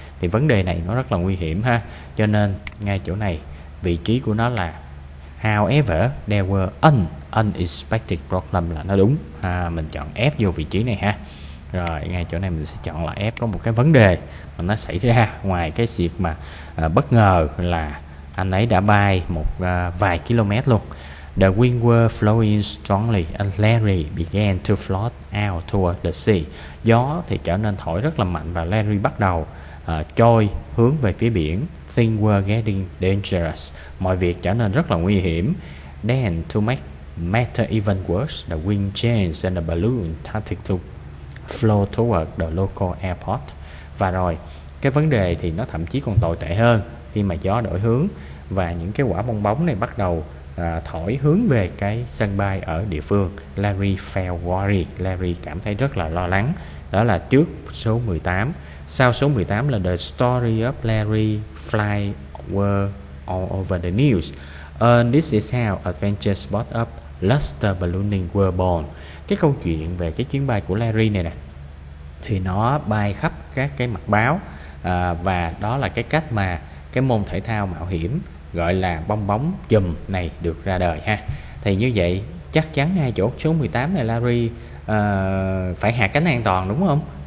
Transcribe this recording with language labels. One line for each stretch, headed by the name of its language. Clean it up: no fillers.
Vietnamese: Thì vấn đề này nó rất là nguy hiểm ha, cho nên ngay chỗ này vị trí của nó là
English: however there were unexpected problem
Vietnamese: là nó đúng ha. Mình chọn F vô vị trí này ha. Rồi ngay chỗ này mình sẽ chọn là F, có một cái vấn đề mà nó xảy ra ngoài cái việc mà bất ngờ là anh ấy đã bay một vài km luôn.
English: The wind were flowing strongly and Larry began to float out toward the sea.
Vietnamese: Gió thì trở nên thổi rất là mạnh và Larry bắt đầu trôi hướng về phía biển.
English: Things were getting dangerous.
Vietnamese: Mọi việc trở nên rất là nguy hiểm.
English: Then to make matter even worse, the wind changed and the balloon started to flow toward the local airport.
Vietnamese: Và rồi cái vấn đề thì nó thậm chí còn tồi tệ hơn khi mà gió đổi hướng và những cái quả bong bóng này bắt đầu thổi hướng về cái sân bay ở địa phương.
English: Larry felt worried.
Vietnamese: Larry cảm thấy rất là lo lắng. Đó là trước số 18. Sau số 18 là
English: the story of Larry fly were all over the news. And this is how adventure spot up luster ballooning were born.
Vietnamese: Cái câu chuyện về cái chuyến bay của Larry này nè, thì nó bay khắp các cái mặt báo và đó là cái cách mà cái môn thể thao mạo hiểm gọi là bong bóng chùm này được ra đời ha. Thì như vậy chắc chắn ngay chỗ số 18 này Larry phải hạ cánh an toàn đúng không?